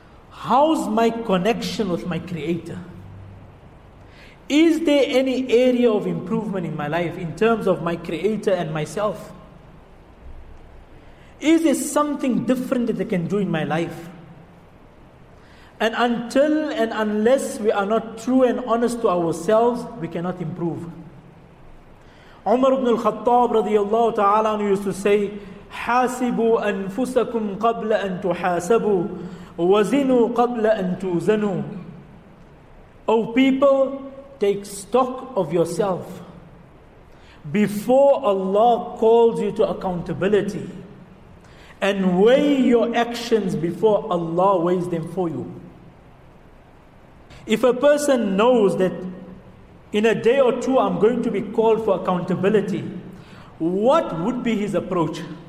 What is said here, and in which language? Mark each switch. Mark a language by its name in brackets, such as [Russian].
[English] How's my connection with my Creator? Is there any area of improvement in my life in terms of my Creator and myself? Is there something different that I can do in my life? And until and unless we are not true and honest to ourselves, we cannot improve. Umar ibn al-Khattab radiyallahu ta'ala used to say, [Arabic] حَاسِبُوا أَنفُسَكُمْ قَبْلَ أَن تُحَاسَبُوا وَزِنُوا قَبْلَ أَن تُوزَنُوا. [English] O people, take stock of yourself before Allah calls you to accountability. And weigh your actions before Allah weighs them for you. If a person knows that in a day or two I'm going to be called for accountability, what would be his approach?